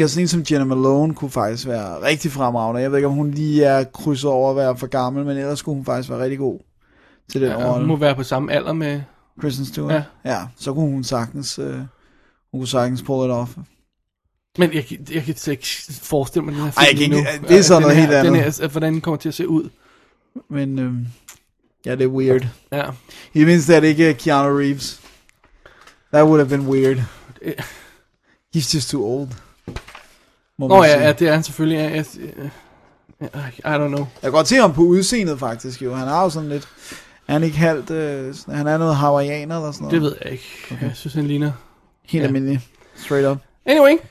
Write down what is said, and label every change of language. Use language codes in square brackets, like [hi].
[da] Jeg tænker, sådan en som Jenna Malone kunne faktisk være rigtig fremragende. Jeg ved ikke, om hun lige er krydset over at være for gammel, men ellers skulle hun faktisk være rigtig god. Til den hun må være på samme alder med Kristen Stewart. Ja, så kunne hun sagtens [en] pull it off. [da] Men jeg kan ikke forestille mig den her film. Ej, jeg kan ikke, det er sådan noget helt andet. Hvordan den kommer til at se ud. Men ja, det er weird. Ja. [en] He means that ikke Keanu Reeves. That would have been weird. He's just too old. [da] Det er han selvfølgelig. [en] I don't know. [da] Jeg kan godt se ham på udseendet faktisk jo. Han har jo sådan lidt. Er han ikke halvt, han er noget hawaiianer eller sådan noget? Det ved jeg ikke. Okay. Jeg synes, han ligner. Helt almindelig. [en] Straight up. Anyway.